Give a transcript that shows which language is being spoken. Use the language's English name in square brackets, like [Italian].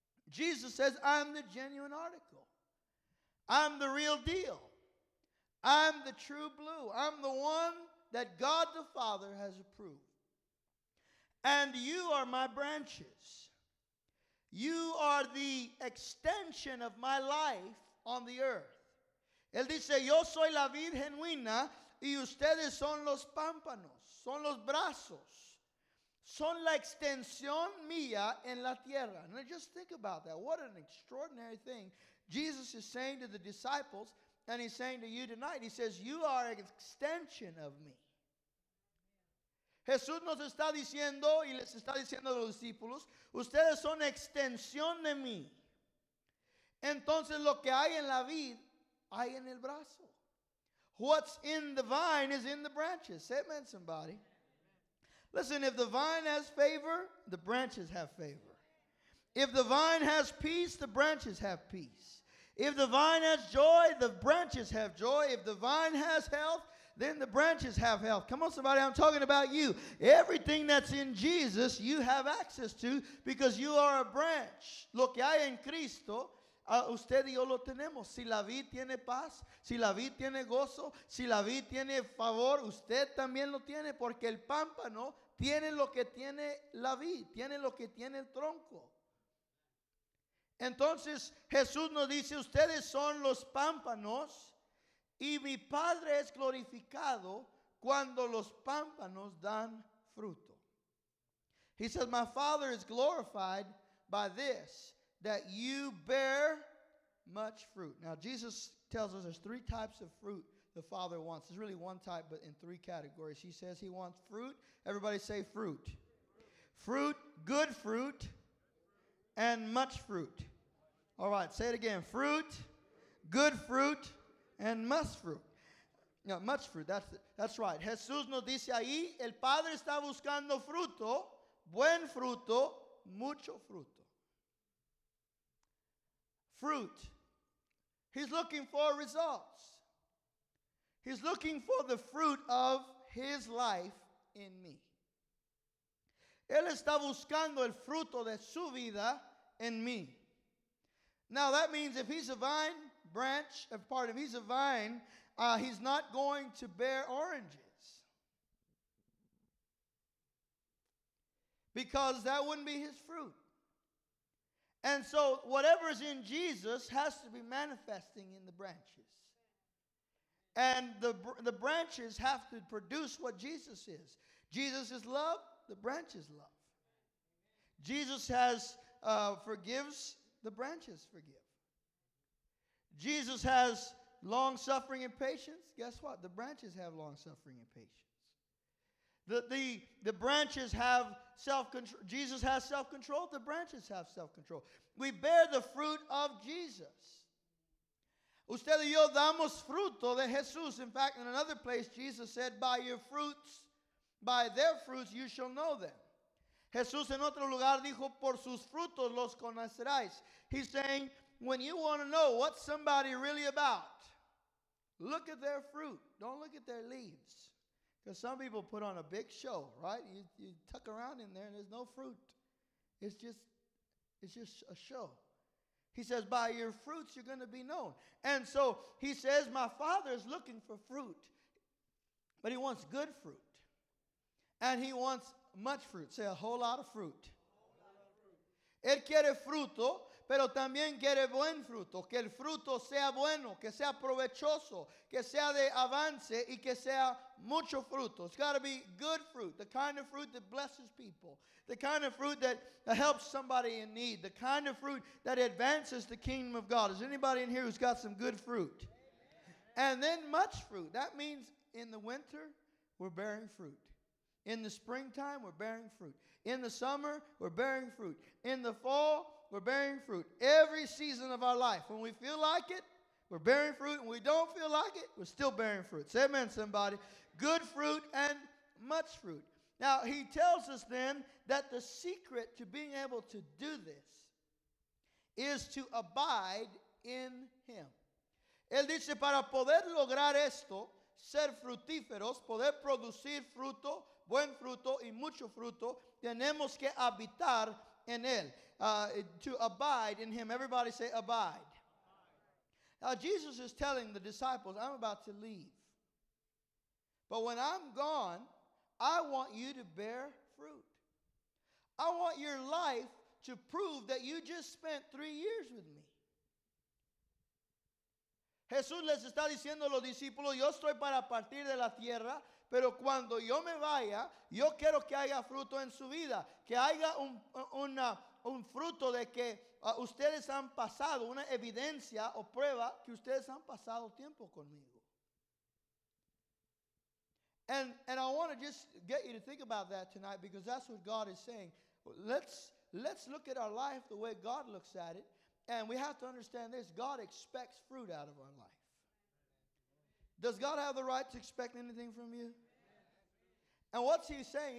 [English] Jesus says, I'm the genuine article. I'm the real deal. I'm the true blue. I'm the one that God the Father has approved. And you are my branches. You are the extension of my life on the earth. [Spanish] Él dice, yo soy la vid genuina y ustedes son los pámpanos, son los brazos. Son la extensión mía en la tierra. [English] Now just think about that. What an extraordinary thing Jesus is saying to the disciples, and he's saying to you tonight. He says, you are an extension of me. [Spanish] Jesús nos está diciendo y les está diciendo a los discípulos, ustedes son extensión de mí. Entonces lo que hay en la vid, hay en el brazo. [English] What's in the vine is in the branches. Say amen, somebody. Listen, if the vine has favor, the branches have favor. If the vine has peace, the branches have peace. If the vine has joy, the branches have joy. If the vine has health, then the branches have health. Come on, somebody, I'm talking about you. Everything that's in Jesus, you have access to because you are a branch. [Spanish] Lo que hay en Cristo, usted y yo lo tenemos. Si la vid tiene paz, si la vid tiene gozo, si la vid tiene favor, usted también lo tiene porque el pámpano tiene lo que tiene la vid, tiene lo que tiene el tronco. Entonces, Jesús nos dice, ustedes son los pámpanos y mi Padre es glorificado cuando los pámpanos dan fruto. [English] He says, my Father is glorified by this, that you bear much fruit. Now, Jesus tells us there's three types of fruit the Father wants. It's really one type, but in three categories. He says he wants fruit. Everybody say fruit. Fruit, good fruit, and much fruit. All right, say it again. Fruit, good fruit, and much fruit. No, much fruit, that's right. [Spanish] Jesús nos dice ahí, el Padre está buscando fruto, buen fruto, mucho fruto. [English] Fruit. He's looking for results. He's looking for the fruit of his life in me. [Spanish] Él está buscando el fruto de su vida [English] in me. Now that means if he's a vine branch, if he's a vine, he's not going to bear oranges. Because that wouldn't be his fruit. And so whatever's in Jesus has to be manifesting in the branches. And the branches have to produce what Jesus is. Jesus is love, the branch is love. Jesus has forgives, the branches forgive. Jesus has long suffering and patience. Guess what? The branches have long suffering and patience. The branches have self-control. Jesus has self-control. The branches have self-control. We bear the fruit of Jesus. [Spanish] Usted y yo damos fruto de Jesús. [English] In fact, in another place, Jesus said, by your fruits, by their fruits, you shall know them. [Spanish] Jesús en otro lugar dijo, por sus frutos los conoceréis. [English] He's saying, when you want to know what somebody really about, look at their fruit. Don't look at their leaves. Because some people put on a big show, right? You tuck around in there and there's no fruit. It's just a show. He says, by your fruits you're going to be known. And so he says, my Father is looking for fruit. But he wants good fruit. And he wants much fruit, say a whole lot of fruit. [Spanish] Él quiere fruto, pero también quiere buen fruto. Que el fruto sea bueno, que sea provechoso, que sea de avance y que sea mucho fruto. [English] It's got to be good fruit, the kind of fruit that blesses people, the kind of fruit that helps somebody in need, the kind of fruit that advances the kingdom of God. Is anybody in here who's got some good fruit? And then much fruit. That means in the winter, we're bearing fruit. In the springtime, we're bearing fruit. In the summer, we're bearing fruit. In the fall, we're bearing fruit. Every season of our life, when we feel like it, we're bearing fruit. When we don't feel like it, we're still bearing fruit. Say amen, somebody. Good fruit and much fruit. Now, he tells us then that the secret to being able to do this is to abide in him. [Spanish] Él dice, para poder lograr esto, ser frutíferos, poder producir fruto, buen fruto y mucho fruto, tenemos que habitar en él. [English] To abide in him. Everybody say abide. Now Jesus is telling the disciples, I'm about to leave. But when I'm gone, I want you to bear fruit. I want your life to prove that you just spent 3 years with me. [Spanish] Jesús les está diciendo a los discípulos, yo estoy para partir de la tierra, pero cuando yo me vaya, yo quiero que haya fruto en su vida, que haya un fruto de que ustedes han pasado, una evidencia o prueba que ustedes han pasado tiempo conmigo. [English] And I want to just get you to think about that tonight because that's what God is saying. Let's look at our life the way God looks at it. And we have to understand this. God expects fruit out of our life. Does God have the right to expect anything from you? And what's he saying?